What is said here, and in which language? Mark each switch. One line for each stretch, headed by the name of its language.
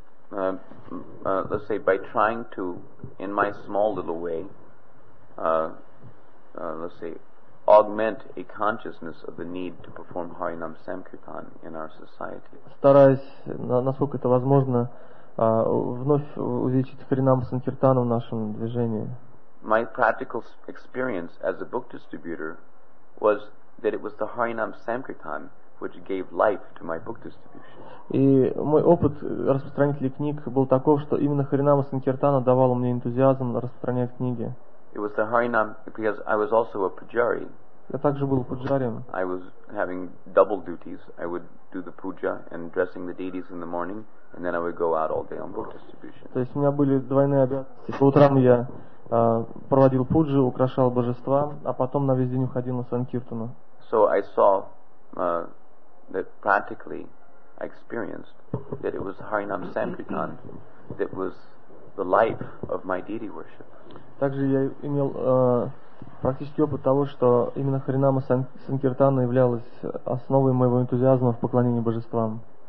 English: Let's say by trying to, in my small little way, let's say, augment a consciousness of the need to perform Harinam Samkirtan in our society.
Russian: Стараясь, насколько это возможно, вновь увеличить Харинам Санкиртану в нашем движении.
English: My practical experience as a book distributor was that it was the Harinam Samkirtan which gave life to my book distribution.
Russian: И мой опыт распространителя книг был таков, что именно Харинама Санкиртана давал мне энтузиазм распространять книги.
English: It was the Harinam, because I was also a pujari.
Russian: Я также был пуджарием.
English: I was having double duties. I would do the puja and dressing the deities in the morning, and then I would go out all day on book distribution.
Russian: То есть у меня были двойные обязанности. По утрам я проводил пуджи, украшал божества, а потом на весь день уходил на санкиртану.
English: So I saw that practically I experienced that it was Harinam Samkirtan that was the life of my deity worship.
Russian: Также я имел практический опыт того, что именно Харинама Санкиртана являлась основой моего энтузиазма в поклонении божествам.